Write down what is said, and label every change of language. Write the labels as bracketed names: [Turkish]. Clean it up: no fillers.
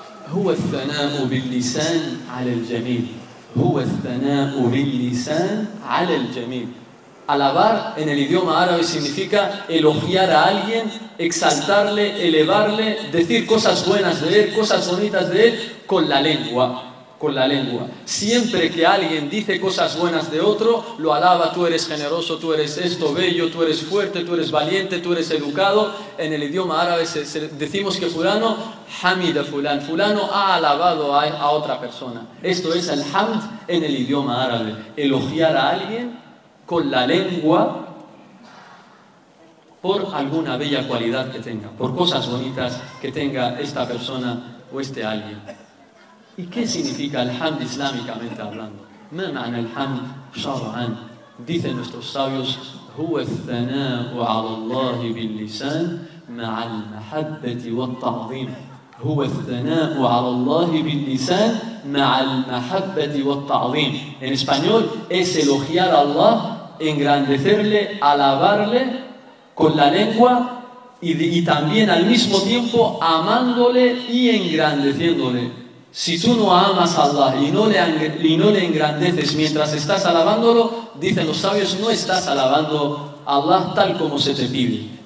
[Arabic] هو الثناء باللسان على الجميل. هو الثناء باللسان على الجميل. [Spanish] Alabar en el idioma árabe significa elogiar a alguien, exaltarle, elevarle, decir cosas buenas de él, cosas bonitas de él con la lengua. Con la lengua. Siempre que alguien dice cosas buenas de otro, lo alaba, tú eres generoso, tú eres esto, bello, tú eres fuerte, tú eres valiente, tú eres educado. En el idioma árabe decimos que fulano, hamid fulan, fulano ha alabado a otra persona. Esto es el hamd en el idioma árabe. Elogiar a alguien con la lengua por alguna bella cualidad que tenga, por cosas bonitas que tenga esta persona o este alguien. ¿Y qué significa alhamd islámicamente hablando? [Arabic] ¿Ma ma'ana alhamd shar'an? [Spanish] Dicen nuestros sabios, [Arabic] هو الثناء على الله باللسان مع المحبة والتعظيم. هو الثناء على الله باللسان مع المحبة والتعظيم. [Spanish] En español, es elogiar a Allah, engrandecerle, alabarle con la lengua y también al mismo tiempo amándole y engrandeciéndole. Si tú no amas a Allah y no le engrandeces mientras estás alabándolo, dicen los sabios, no estás alabando a Allah tal como se te pide.